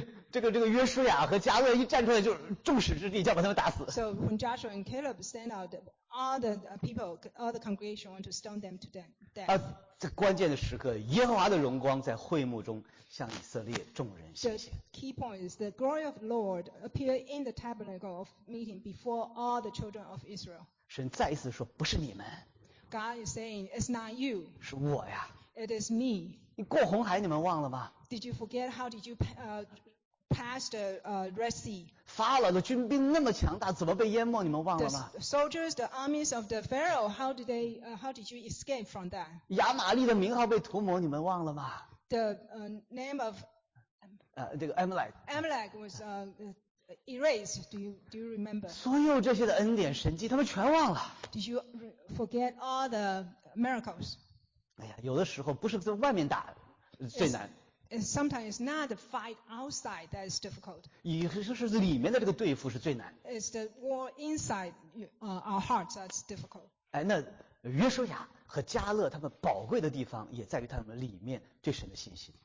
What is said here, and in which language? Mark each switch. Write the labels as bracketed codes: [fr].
[zh] 这个约书亚和迦勒一站出来就众矢之的，就要把他们打死。 [en] So when Joshua and Caleb stand out, all the people, all the congregation want to stone them to death. [zh] 在关键的时刻，耶和华的荣光在会幕中向以色列众人显现。 [en] The key point is the glory of the Lord appeared in the tabernacle of meeting before all the children of Israel. [zh] 神再一次说，不是你们。 [en] God is saying, it's not you. [zh] 是我呀。 [en] It is me. [zh] 你过红海你们忘了吗？ [en] Did you forget how did you pass the Red Sea? [zh] 法老的军兵那么强大，怎么被淹没你们忘了吗？ [en] The soldiers, the armies of the Pharaoh, how did you escape from that? [zh] 亚玛利的名号被涂抹你们忘了吗？ [en] The name of Amalek. Amalek was erased, do you remember? [zh] 所有这些的恩典神迹他们全忘了。 [en] Did you forget all the miracles? [zh] 有的时候不是在外面打最难。 [en] Sometimes it's not the fight outside that is difficult. [zh] 是里面的这个对付是最难。 [en] It's the war inside our hearts that's difficult. [zh] 那约书亚和迦勒他们宝贵的地方也在于他们里面对神的信心。